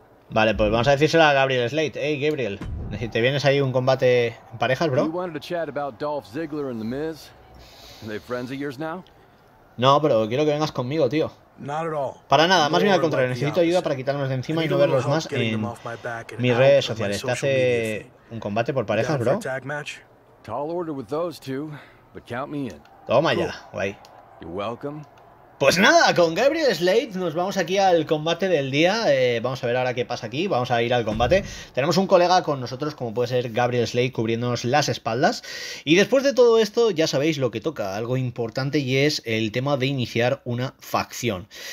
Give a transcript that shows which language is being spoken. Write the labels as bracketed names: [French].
[Spanish] Vale, pues vamos a decírselo a Gabriel Slade. Hey, Gabriel, ¿te vienes ahí un combate en parejas, bro? [English] We wanted to chat about Dolph Ziggler and the Miz. Are they friends of yours now? [Spanish] No, pero quiero que vengas conmigo, tío. [English] Not at all. [Spanish] Para nada, más bien al contrario. Necesito ayuda para quitarnos de encima y no verlos más en mis redes sociales. ¿Te hace un combate por parejas, bro? [English] Tall order with those two, but count me in. [Spanish] Toma ya, guay. [English] You're welcome. [Spanish] Pues nada, con Gabriel Slade nos vamos aquí al combate del día. Vamos a ver ahora qué pasa aquí. Vamos a ir al combate. Tenemos un colega con nosotros, como puede ser Gabriel Slade, cubriéndonos las espaldas. Y después de todo esto, ya sabéis lo que toca. Algo importante, y es el tema de iniciar una facción.